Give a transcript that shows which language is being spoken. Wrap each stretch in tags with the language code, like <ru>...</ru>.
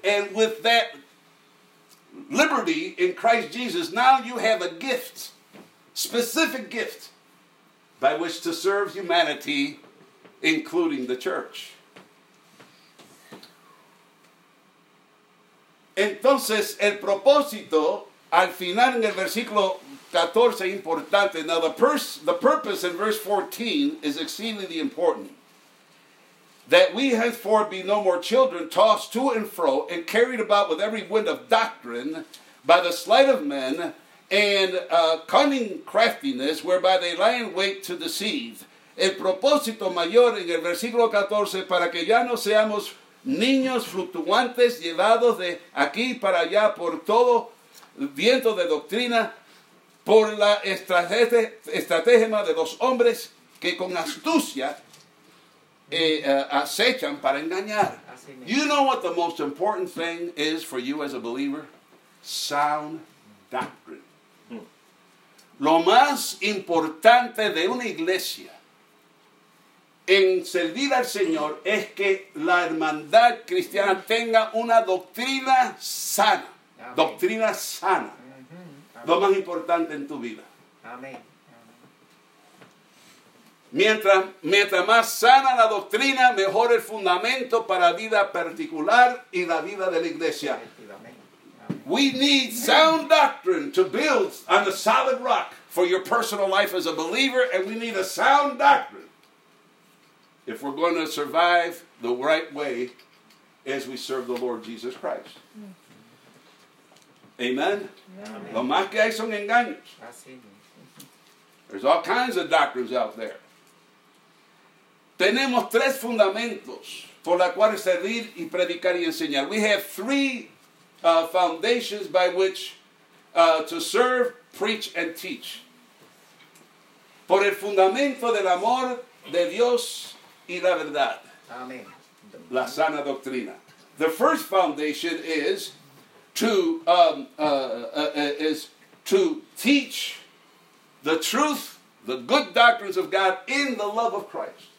<en>And with that liberty in Christ Jesus, now you have a gift. Specific gift by which to serve humanity, including the church.</en> <es>Entonces, el propósito, al final en el versículo 14, importante.</es> <en>Now, the purpose in verse 14 is exceedingly important. that we henceforth be no more children, tossed to and fro, and carried about with every wind of doctrine, by the sleight of men, and cunning craftiness, whereby they lie in wait to deceive.</en> <es>El propósito mayor en el versículo 14, para que ya no seamos niños fluctuantes, llevados de aquí para allá por todo viento de doctrina, por la estratagema de los hombres que con astucia acechan para engañar.</es> <en>You know what the most important thing is for you as a believer? Sound doctrine.</en> <es>Lo más importante de una iglesia en servir al Señor es que la hermandad cristiana tenga una doctrina sana. Amén. Doctrina sana. Amén. Lo más importante en tu vida. Amén. Mientras más sana la doctrina, mejor el fundamento para la vida particular y la vida de la iglesia. Amén.</es> <en>We need sound doctrine to build on the solid rock for your personal life as a believer, and we need a sound doctrine if we're going to survive the right way as we serve the Lord Jesus Christ.</en> <es>Amen? Lo más que hay son engaños.</es> <en>There's all kinds of doctrines out there.</en> <es>Tenemos tres fundamentos por la cual servir y predicar y enseñar.</es> <en>We have three foundations by which to serve, preach, and teach.</en> <es>Por el fundamento del amor de Dios y la verdad. Amén. La sana doctrina.</es> <en>The first foundation is to teach the truth, the good doctrines of God in the love of Christ.</en>